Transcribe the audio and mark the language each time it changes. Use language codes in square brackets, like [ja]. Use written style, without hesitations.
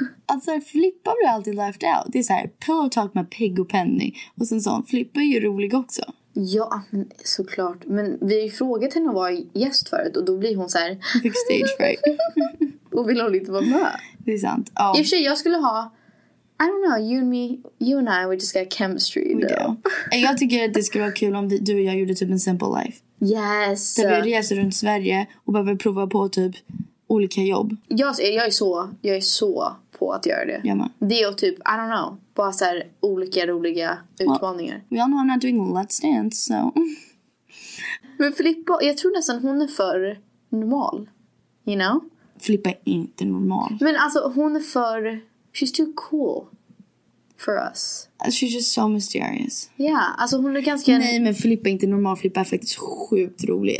[sv] Att såhär, Flippa blir alltid left out. Det är så här, pillow talk med Peg och Penny. Och sen så, Flippa är ju rolig också. Ja, men såklart. Men vi har ju frågat henne att vara gäst förut. Och då blir hon så här. Fick stage fright. Och vill hon inte vara med. Det är sant. Oh. I och för sig, jag skulle ha... [en] I don't know, you and I, we just got chemistry. [sv] Och jag tycker att det skulle vara kul om du och jag gjorde typ en simple life. [en] Yes. [sv] Där vi reser runt Sverige och behöver prova på typ olika jobb. Jag är så på att göra det. Jamma. Det är typ, [en] I don't know, [sv] bara så här olika roliga utmaningar. [en] Well, we all know I'm not doing Let's Dance, so. [sv] Men Filippa, jag tror nästan hon är för normal, [en] you know? [sv] Filippa är inte normal. Men alltså, hon är för... [en] She's too cool for us. She's just so mysterious. [sv] Ja, yeah, alltså hon är ganska... Nej, men Filippa är inte normal. Filippa är faktiskt sjukt rolig.